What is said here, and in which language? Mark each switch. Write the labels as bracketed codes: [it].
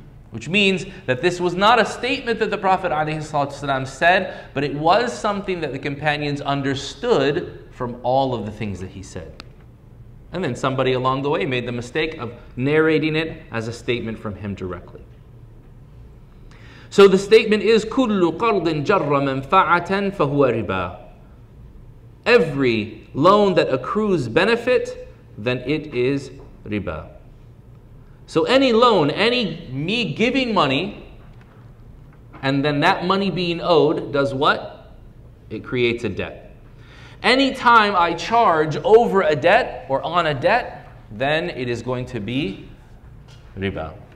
[en] Which means that this was not a statement that the Prophet ﷺ said, but it was something that the companions understood from all of the things that he said. And then somebody along the way made the mistake of narrating it as a statement from him directly. So the statement is, [ar] كُلُّ قَرْضٍ جَرَّ مَنْفَعَةً فَهُوَ رِبَا. [en] Every loan that accrues benefit, then it is riba. So any loan, any me giving money, and then that money being owed, does what? It creates a debt. Anytime I charge over a debt or on a debt, then it is going to be riba.